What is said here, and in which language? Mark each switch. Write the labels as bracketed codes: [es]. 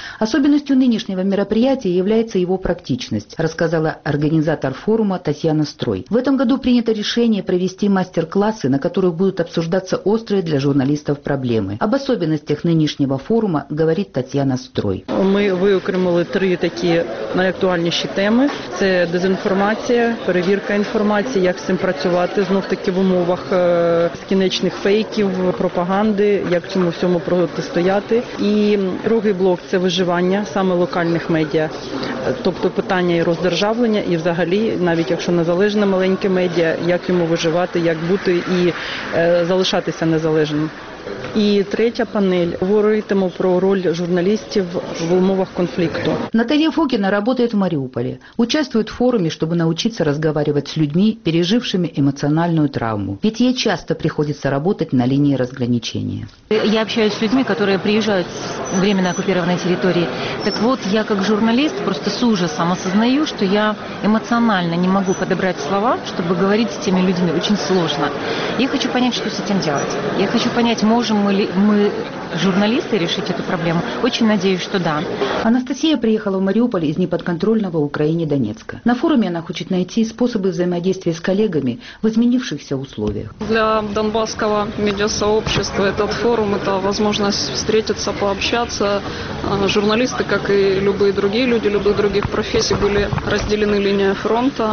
[ru] Особенностью нынешнего мероприятия является его практичность, рассказала организатор форума Татьяна Строй. В этом году принято решение провести мастер-классы, на которых будут обсуждаться острые для журналистов проблемы. Об особенностях нынешнего форума говорит Татьяна. [uk] Ми виокремили три такі найактуальніші теми. Це дезінформація, перевірка інформації, як з цим працювати, знов-таки в умовах скінечних фейків, пропаганди, як цьому всьому протистояти. І другий блок – це виживання саме локальних медіа, тобто питання і роздержавлення, і взагалі, навіть якщо незалежне маленьке медіа, як йому виживати, як бути і залишатися незалежним. І третя панель. Говоритиму про роль журналістів в умовах конфлікту. Наталія Фокіна працює в Маріуполі. Участвує в форумі, щоб навчитися розмовляти з людьми, пережившими емоційну травму. Ведь їй часто приходиться працювати на лінії розграничення. Я спілкуюся з людьми, які приїжджають в временно окупованій території. Так от, я як журналіст просто [ru] з ужасом осознаю, [uk] що я емоційно не можу підібрати слова, щоб говорити з тими людьми. Дуже складно. Я хочу зрозуміти, що з цим робити. Я хочу зрозуміти, [ru] можем ли мы, журналисты, решить эту проблему? Очень надеюсь, что да. Анастасия приехала в Мариуполь из неподконтрольного Украине Донецка. На форуме она хочет найти способы взаимодействия с коллегами в изменившихся условиях. Для донбасского медиасообщества этот форум – это возможность встретиться, пообщаться. Журналисты, как и любые другие люди, любых других профессий, были разделены линией фронта.